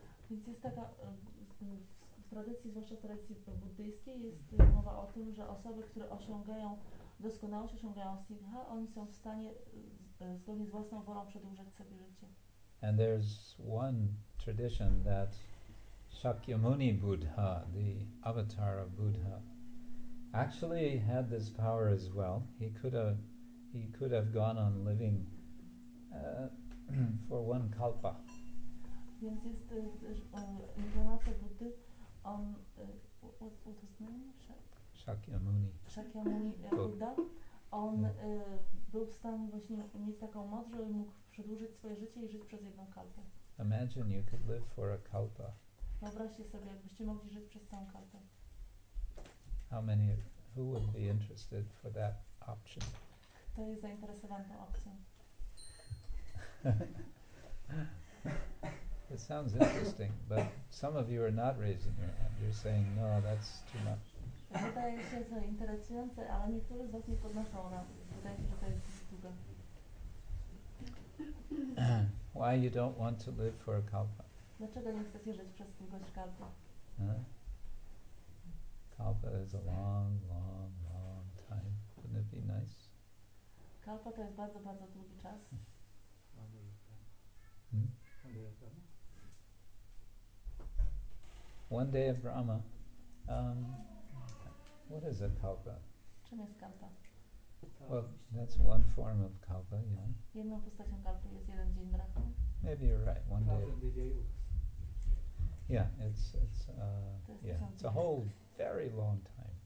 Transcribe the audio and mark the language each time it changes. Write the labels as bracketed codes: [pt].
[pl] Więc jest taka w tradycji, zwłaszcza w tradycji buddyjskiej, jest mowa o tym, że osoby, które osiągają doskonałość, osiągają siddha, oni są w stanie zgodnie z własną wolą przedłużać sobie życie. [en] And there's one tradition that Shakyamuni Buddha, the avatar of Buddha, actually had this power as well. He could have gone on living for one kalpa. [pl] Więc jest inkarnacja Buddy, on, [en] what was his name? Shakyamuni. Shakyamuni Buddha. [pl] On był w stanie właśnie mieć taką moc, żeby mógł przedłużyć swoje życie i żyć przez jedną kalpę. [en] Imagine you could live for a kalpa. [pl] Wyobraźcie sobie, jakbyście mogli żyć przez całą kalpę. [en] How many of, who would be interested for that option? [pl] Kto jest zainteresowany tą opcją? [en] It sounds interesting, but some of you are not raising your hand. You're saying, no, that's too much. [pl] Wydaje się to interesujące, ale niektórzy z was nie podnoszą na. Wydaje się, że to jest długo. [en] Why you don't want to live for a kalpa? [pl] Dlaczego nie chcecie żyć przez długość kalpa? Huh? [en] Kalpa is a long, long, long time. Wouldn't it be nice? [pl] Kalpa to jest bardzo, bardzo długi czas. [en] One day of Brahma. What is a kalpa? [pl] Czym jest kalpa? [en] Well, that's one form of kalpa, yeah. [pl] Jedną postacią kalpy jest jeden dzień brahma. [en] Maybe you're right. One day. Yeah, it's a whole very long time.